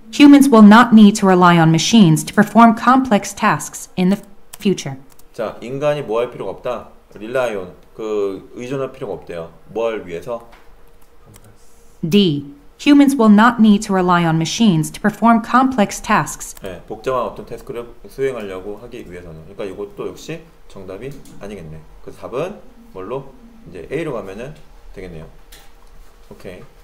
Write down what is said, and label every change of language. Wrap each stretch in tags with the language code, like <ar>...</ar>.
<en>Humans will not need to rely on machines to perform complex tasks in the future.</en> <ko>자, 인간이 뭐 할 필요가 없다?</ko> <en>Rely on,</en> <ko>의존할 필요가 없대요. 뭘 위해서? D.</ko> <en>Humans will not need to rely on machines to perform complex tasks.</en> <ko>네, 복잡한 어떤 태스크를 수행하려고 하기 위해서는. 그러니까 이것도 역시 정답이 아니겠네. 그 답은 뭘로? 이제 A로 가면은 되겠네요. 오케이.</ko>